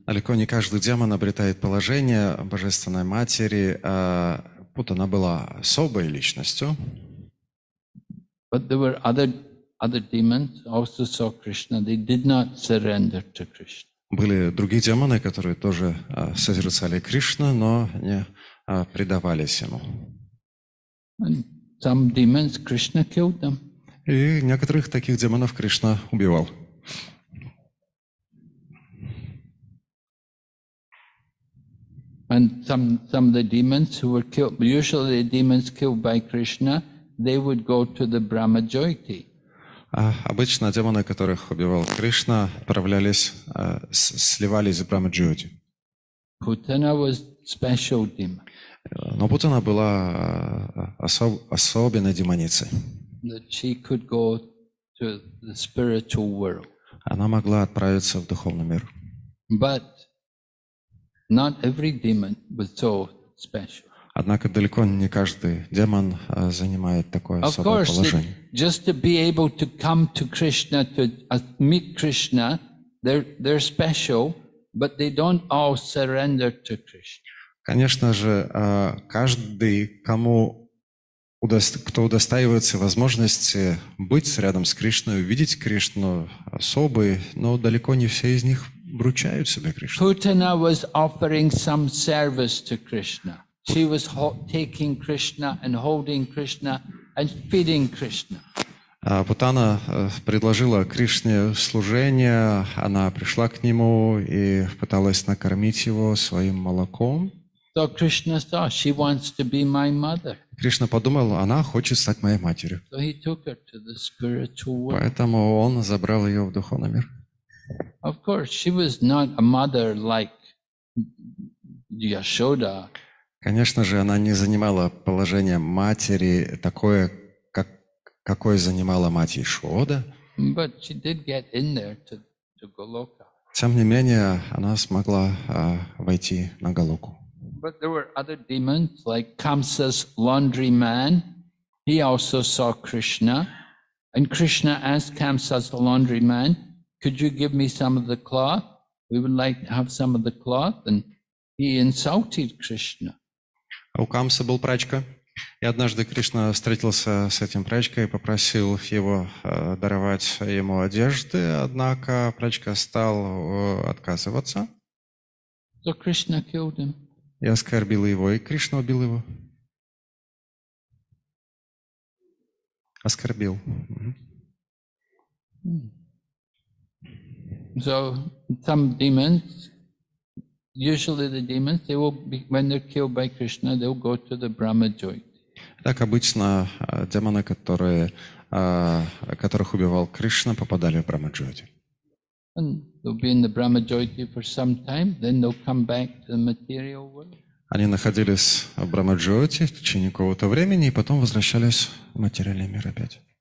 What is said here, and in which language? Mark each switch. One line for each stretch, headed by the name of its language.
Russian: Далеко не каждый демон обретает положение божественной матери. Путана была особой личностью.
English: But there were other demons also saw Krishna. They did not surrender to Krishna.
Russian: Были другие демоны, которые тоже созерцали Кришну, но не предавались ему.
English: And some demons Krishna killed them.
Russian: И некоторых таких демонов Кришна убивал.
English: And some of the demons who were killed, usually the demons killed by Krishna, they would go to the Brahma Jyoti.
Russian: Обычно демоны, которых убивал Кришна, отправлялись, сливались в Брахма Джойти.
English: Putana was special demon.
Russian: Но Путана была особенной демоницей.
English: That she could go to the spiritual world.
Russian: Она могла отправиться в духовный мир.
English: But not every demon was so special.
Russian: Однако далеко не каждый демон занимает такое
English: of
Russian: особое
English: course,
Russian: положение.
English: Just to be able to come to Krishna, to meet Krishna, they're special, but they don't all surrender to Krishna.
Russian: Конечно же, каждый, кто удостаивается возможности быть рядом с Кришной, увидеть Кришну особый, но далеко не все из них вручают себе Кришну.
English: Путана was offering some service to Krishna. She was taking Krishna and holding Krishna and feeding Krishna.
Russian: Путана предложила Кришне служение, она пришла к нему и пыталась накормить его своим молоком.
English: So Krishna saw she wants to be my mother.
Russian: Кришна подумал, она хочет стать моей матерью.
English: So he took her to the spiritual world.
Russian: Поэтому он забрал ее в духовный мир.
English: Of course, she was not a mother like Yashoda.
Russian: Конечно же, она не занимала положение матери такое, какое занимала мать Яшода.
English: But she did get in there to Goloka.
Russian: Тем не менее, она смогла войти на Голоку.
English: But there were other demons, like Kamsa's laundry man. He also saw Krishna. And Krishna asked Kamsa's laundry man, could you give me some of the cloth? We would like to have some of the cloth. And he insulted Krishna.
Russian: У Камсы был прачка. И однажды Кришна встретился с этим прачкой и попросил его даровать ему одежды. Однако прачка стал отказываться.
English: So Krishna killed him.
Russian: И оскорбил его, и Кришна убил его. Оскорбил.
English: So, some demons, usually the demons, they will be, when they're killed by Krishna, they'll go to the Brahma jyoti.
Russian: Так обычно демоны, которых убивал Кришна, попадали в Брахма джойти.
English: And they'll be in the Brahma jyoti for some time, then they'll come back to the material world.
Russian: Они находились в Брахма-джойоте в течение какого-то времени и потом возвращались в материальный мир опять.